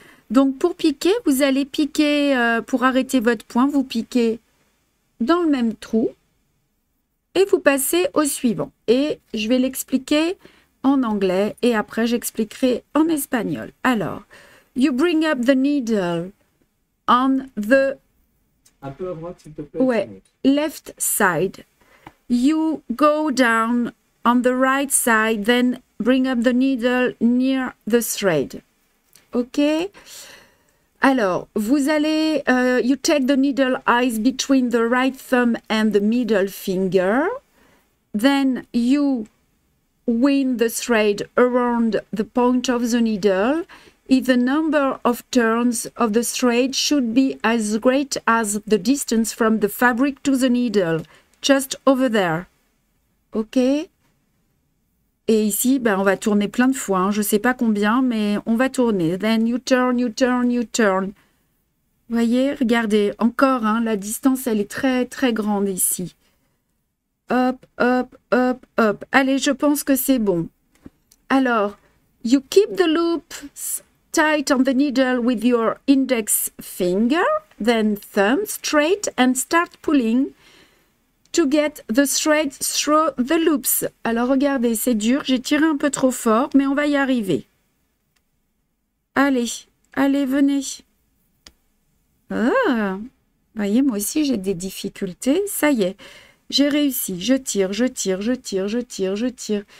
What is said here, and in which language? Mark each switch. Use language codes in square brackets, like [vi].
[fr] Donc, pour piquer, vous allez piquer, pour arrêter votre point, vous piquez dans le même trou et vous passez au suivant. Et je vais l'expliquer en anglais et après, j'expliquerai en espagnol. [en] Alors, you bring up the needle on the. [fr] Un peu à droite, s'il te plaît, si [en] Ouais, left side. You go down on the right side, then bring up the needle near the thread. OK? [fr] Alors, vous allez. [en] You take the needle eyes between the right thumb and the middle finger. Then you wind the thread around the point of the needle. If the number of turns of the thread should be as great as the distance from the fabric to the needle, just over there. OK? [fr] Et ici, ben, on va tourner plein de fois. Hein. Je ne sais pas combien, mais on va tourner. [en] Then you turn, you turn, you turn. [fr] Vous voyez, regardez encore, hein, la distance, elle est très, très grande ici. Hop, hop, hop, hop. Allez, je pense que c'est bon. [en] Alors, you keep the loops. Tight on the needle with your index finger, then thumb straight and start pulling to get the thread through the loops. [fr] Alors regardez, c'est dur, j'ai tiré un peu trop fort, mais on va y arriver. Allez, allez, venez. Ah, voyez, moi aussi j'ai des difficultés. Ça y est, j'ai réussi. Je tire, je tire, je tire, je tire, je tire.